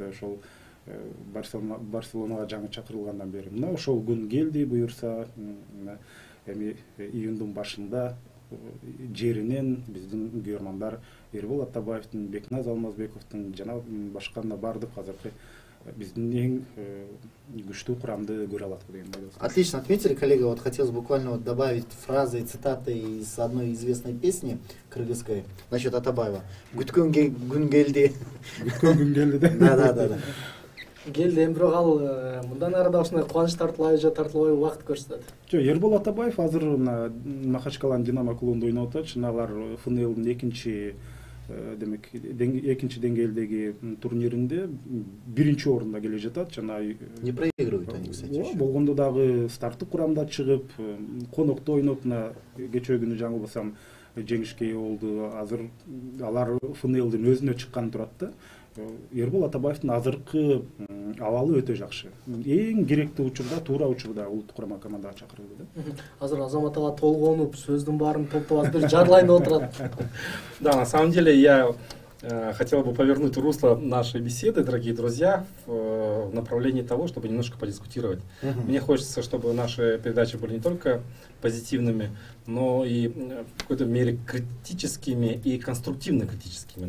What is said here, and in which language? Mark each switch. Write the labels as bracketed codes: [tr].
[ky] Ошол Барселонага жаңы чакырылгандан бери мына ошол күн келди. Буюрса эми июндун башында жеринен биздин көрөрмандар Эрбол Атабаевдин, Бекназ Алмазбековдун жана башканда бардык азыркы биздин эң күчтүү курамды көрө алат деген ой. [ru] Отлично отметили, коллеги. Вот хотелось буквально вот добавить фразы и цитаты из одной известной песни кыргызской насчет Атабаева. [ky] Күткөн күн келди. Күткөн күн келди, да? Да. Келди, эми бирок ал мындан ары дагы ушундай кубаныч тартылабы же тартылбайбы убакыт көрсөтөт. Жок, Эрбол Атабаев азыр мына Махачкаланын Динамо клубунда ойноп атат. Алар ФНЛдин экинчи демек экинчи деңгээлдеги турниринде биринчи орунда келе жатат. [ru] Не проигрывают они, кстати. [ky] Болгондо дагы старттык курамда чыгып, конокто ойноп, кечээ күнү жаңылбасам жеңишке ээ болду. Азыр алар финалдын өзүнө чыккан турат да. Ербол Атабаевдин азыркы абалы өтө жакшы. Эң керектүү учурда, туура учурда улуттук курама командага чакырылды да. Азыр Азамат ага толгонуп, сөздүн баарын топтоп алып, бир жарлайнып отурат. [ru] Да, на самом деле я хотел бы повернуть русло нашей беседы, дорогие друзья, в направлении того, чтобы немножко подискутировать. Мне хочется, чтобы наши передачи были не только позитивными, но и в какой-то мере критическими и конструктивно-критическими.